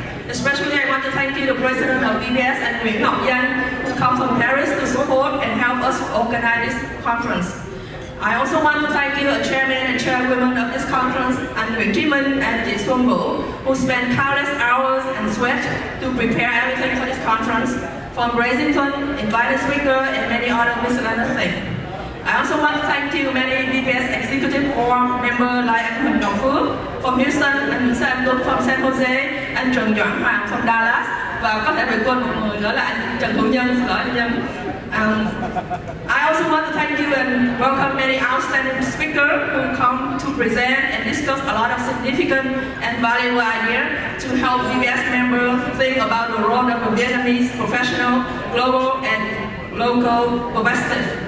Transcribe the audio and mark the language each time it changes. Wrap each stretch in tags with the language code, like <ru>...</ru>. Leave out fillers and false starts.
<en>Especially I want to thank you, the President of VBS and Nguyễn Ngọc Danh, who come from Paris to support and help us organize this conference. I also want to thank you, the Chairman and Chairwoman of this conference, and Nguyễn Trí Minh and Chị Xuân Vũ, who spent countless hours and sweat to prepare everything for this conference. From raising funds, inviting speaker, and many other miscellaneous things. I also want to thank you many VBS executive board members like Huỳnh Ngọc Phước from Houston, and Nguyễn Sơn Tuấn from San Jose, and Trần Doãn Hoàng from Dallas,</en> <vi>và có thể vượt quên một người nữa là anh Trần Hữu Nhân, xin lỗi anh Nhân.</vi> <en>I also want to thank you and welcome many outstanding speakers who come to present and discuss a lot of significant and valuable ideas to help VBS members think about the role of a Vietnamese professional, global and local professional.</en>